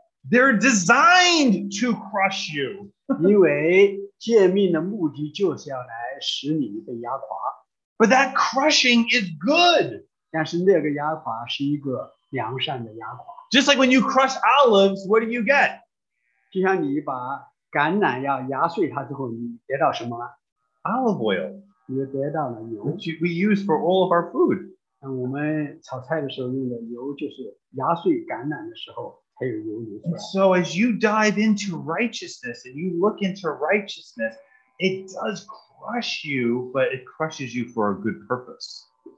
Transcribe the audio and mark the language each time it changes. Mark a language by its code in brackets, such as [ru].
[en] They're designed to crush you. [zh] 因为诫命的目的就是要来使你被压垮。 [en] But that crushing is good. [zh] 但是那个压垮是一个良善的压垮。 [en] Just like when you crush olives, what do you get? [zh] 就像你把橄榄要压碎它之后，你得到什么了？ [en] Olive oil. [zh] 你得到了油。 [en] Which we use for all of our food. [zh] 我们炒菜的时候用的油就是压碎橄榄的时候才有油流出来。 [en] So as you dive into righteousness and you look into righteousness, it does crush you, but it crushes you for a good purpose.